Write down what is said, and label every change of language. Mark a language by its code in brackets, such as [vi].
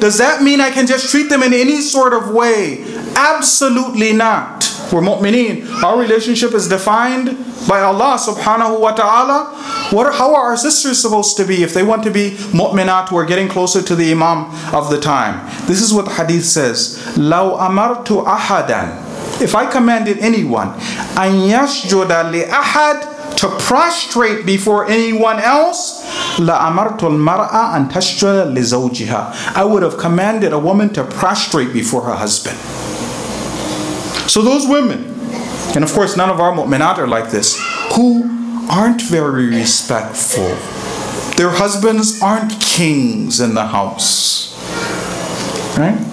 [en] Does that mean I can just treat them in any sort of way? Absolutely not. We're mu'mineen. Our relationship is defined by Allah subhanahu wa ta'ala. How are our sisters supposed to be if they want to be mu'minat who are getting closer to the imam of the time? This is what the hadith says. [ar] لو أمرت أحداً, [en] if I commanded anyone, [ar] أن يسجد لأحد, [en] to prostrate before anyone else, [ar] لأمرت المرأة أن تسجد لزوجها. [en] I would have commanded a woman to prostrate before her husband. So those women, and of course none of our mu'minat are like this, who aren't very respectful. Their husbands aren't kings in the house. Right?